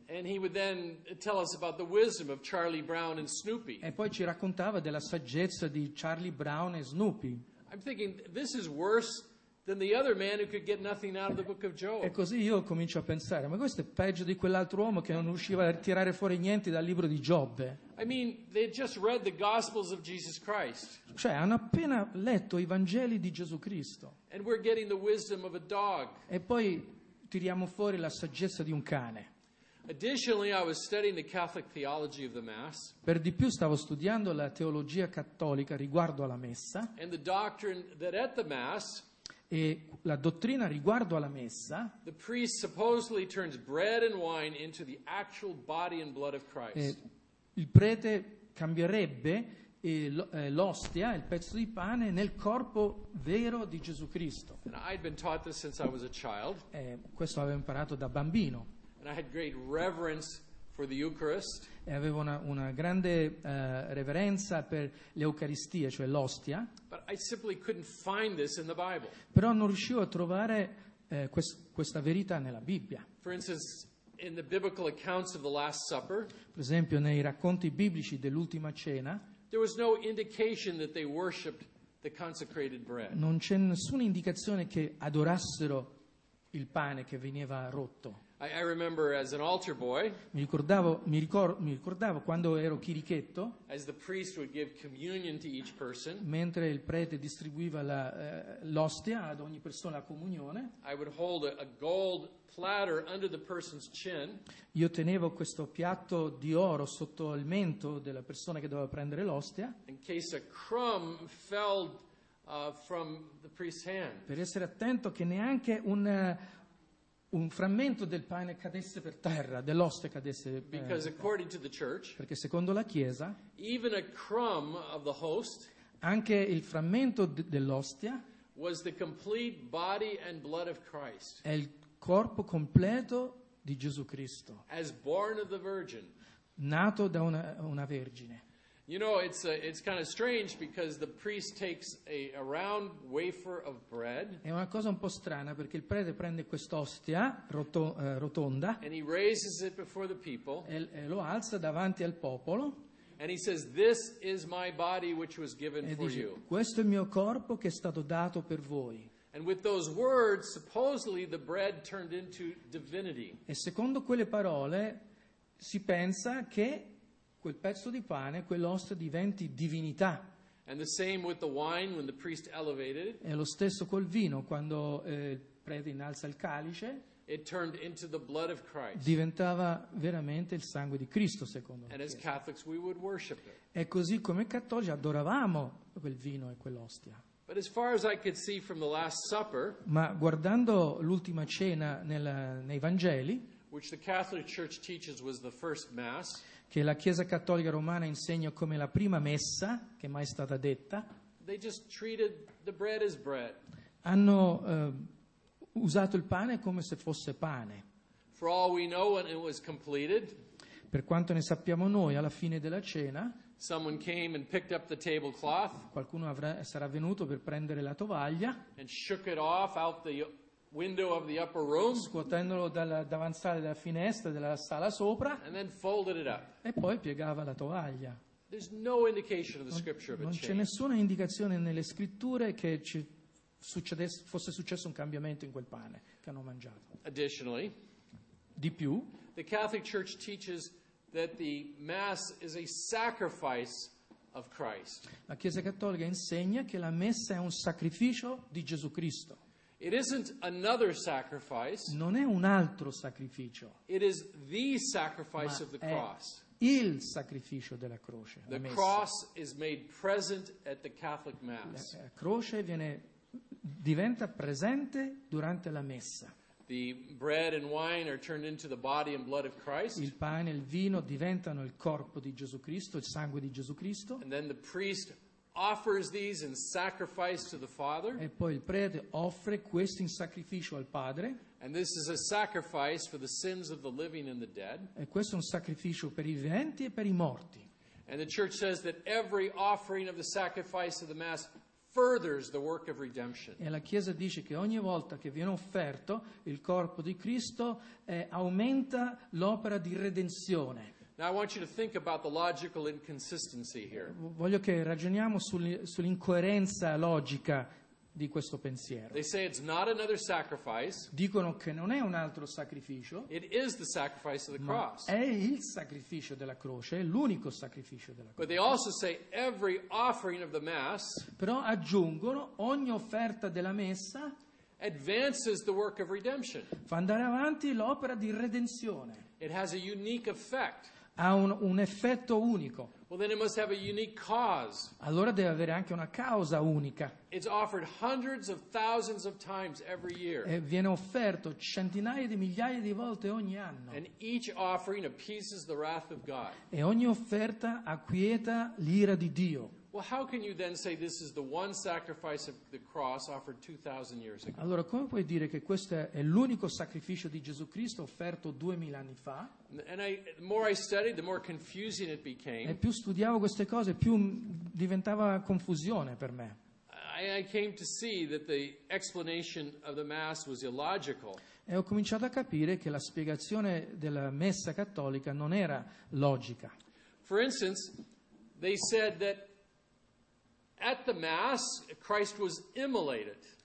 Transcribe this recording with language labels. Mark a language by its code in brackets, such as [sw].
[en] And he would then tell us about the wisdom of Charlie Brown and Snoopy. [it] E poi ci raccontava della saggezza di Charlie Brown e Snoopy. [en] I'm thinking this is worse than the other man who could get nothing out of the book of Job. [it] E così io comincio a pensare, ma questo è peggio di quell'altro uomo che non riusciva a tirare fuori niente dal libro di Giobbe. [en] I mean, they just read the Gospels of Jesus Christ. [it] Cioè, hanno appena letto i Vangeli di Gesù Cristo. [en] And we're getting the wisdom of a dog. [it] E poi tiriamo fuori la saggezza di un cane. [en] Additionally, I was studying the Catholic theology of the Mass. [it] Per di più stavo studiando la teologia cattolica riguardo alla messa. [en] And the doctrine that at the Mass, [it] e la dottrina riguardo alla messa, [en] the priest supposedly turns bread and wine into the actual body and blood of Christ. [it] Il prete cambierebbe l'ostia, il pezzo di pane, nel corpo vero di Gesù Cristo. [en] And I'd been taught this since I was a child. [it] Questo avevo imparato da bambino. [en] And I had great reverence for the Eucharist. [it] E avevo una grande reverenza per l'Eucaristia, cioè l'ostia. [en] But I simply couldn't find this in the Bible. [it] Però non riuscivo a trovare questa verità nella Bibbia. [en] For instance, in the biblical accounts of the Last Supper, [it] per esempio nei racconti biblici dell'ultima cena, [en] there was no indication that they worshipped the consecrated bread. [it] Non c'è nessuna indicazione che adorassero il pane che veniva rotto. [en] I remember as an altar boy, [it] mi ricordavo quando ero chirichetto, [en] as the priest would give communion to each person, [it] mentre il prete distribuiva l'ostia ad ogni persona, la comunione, [en] I would hold a gold platter under the person's chin, [it] io tenevo questo piatto di oro sotto il mento della persona che doveva prendere l'ostia, [en] in case a crumb fell from the priest's hand, [it] per essere attento che neanche un frammento del pane cadesse per terra, dell'ostia cadesse per terra. Perché secondo la Chiesa, [en] even a crumb of the host, [it] anche il frammento dell'ostia, [en] was the complete body and blood of Christ, [it] è il corpo completo di Gesù Cristo, [en] as born of the virgin, [it] nato da una vergine. [en] You know, it's kind of strange because the priest takes a round wafer of bread. [it] È una cosa un po' strana perché il prete prende quest'ostia rotonda. [en] And he raises it before the people. [it] E lo alza davanti al popolo. [en] And he says, "This is my body which was given for [it] dice, [en] you." [it] Questo è il mio corpo che è stato dato per voi. [en] And with those words, supposedly the bread turned into divinity. [it] E secondo quelle parole si pensa che quel pezzo di pane, quell'ostia diventi divinità. [en] And the same with the wine, when the priest elevated it. [it] E lo stesso col vino, quando il prete innalza il calice, [en] it turned into the blood of Christ. [it] Diventava veramente il sangue di Cristo, secondo [en] And as Catholics, we would worship it. [it] E così come cattolici adoravamo quel vino e quell'ostia. [en] But as far as I could see from the Last Supper, [it] ma guardando l'ultima cena nei Vangeli, [en] which the Catholic Church teaches was the first mass, [it] che la Chiesa Cattolica Romana insegna come la prima messa che mai è stata detta, [en] they just treated the bread as bread. [it] Hanno usato il pane come se fosse pane. [en] For all we know, when it was completed, [it] per quanto ne sappiamo noi, alla fine della cena, [en] someone came and picked up the tablecloth, [it] qualcuno sarà venuto per prendere la tovaglia [en] e shook it off out the window of the upper room, [it] scuotendolo dalla davanzale della finestra della sala sopra, [en] and then folded it up. [it] E poi piegava la tovaglia. [en] There's no indication of the scripture of a change. [it] Non c'è nessuna indicazione nelle scritture che ci fosse successo un cambiamento in quel pane che hanno mangiato. [en] Additionally, [it] di più, [en] the Catholic Church teaches that the Mass is a sacrifice of Christ. [it] La Chiesa Cattolica insegna che la messa è un sacrificio di Gesù Cristo. [en] It isn't another sacrifice. [it] Non è un altro sacrificio. [en] It is the sacrifice of the cross. [it] Il sacrificio della croce. [en] The cross is made present at the Catholic Mass. [it] La croce diventa presente durante la messa. [en] The bread and wine are turned into the body and blood of Christ. [it] Il pane e il vino diventano il corpo di Gesù Cristo, il sangue di Gesù Cristo. [en] And then the priest offers these in sacrifice to the Father. [it] E poi il prete offre questo in sacrificio al Padre. [en] And this is a sacrifice for the sins of the living and the dead. [it] E questo è un sacrificio per i viventi e per i morti. [en] And the church says that every offering of the sacrifice of the Mass furthers the work of redemption. [it] E la Chiesa dice che ogni volta che viene offerto il corpo di Cristo aumenta l'opera di redenzione. [en] Now I want you to think about the logical inconsistency here. [it] Voglio che ragioniamo sull'incoerenza logica di questo pensiero. [en] They say it's not another sacrifice. [it] Dicono che non è un altro sacrificio. [en] It is the sacrifice of the cross. [it] È il sacrificio della croce, è l'unico sacrificio della croce. [en] But they also say every offering of the Mass. [it] Però aggiungono ogni offerta della messa. [en] Advances the work of redemption. [it] Fa andare avanti l'opera di redenzione. [en] It has a unique effect. [it] Ha un effetto unico. [en] Well, then it must have a unique cause. [it] Allora deve avere anche una causa unica. [en] It's offered hundreds of thousands of times every year. [it] E viene offerto centinaia di migliaia di volte ogni anno. [en] And each offering appeases the wrath of God. [it] E ogni offerta acquieta l'ira di Dio. [en] Well, how can you then say this is the one sacrifice of the cross offered 2,000 years ago? [it] Allora, come puoi dire che questo è l'unico sacrificio di Gesù Cristo offerto 2,000 anni fa? [en] And the more I studied, the more confusing it became. [it] E più studiavo queste cose, più diventava confusione per me. [en] I came to see that the explanation of the Mass was illogical. [it] E ho cominciato a capire che la spiegazione della messa cattolica non era logica. [en] For instance, they said that at the Mass, Christ was immolated.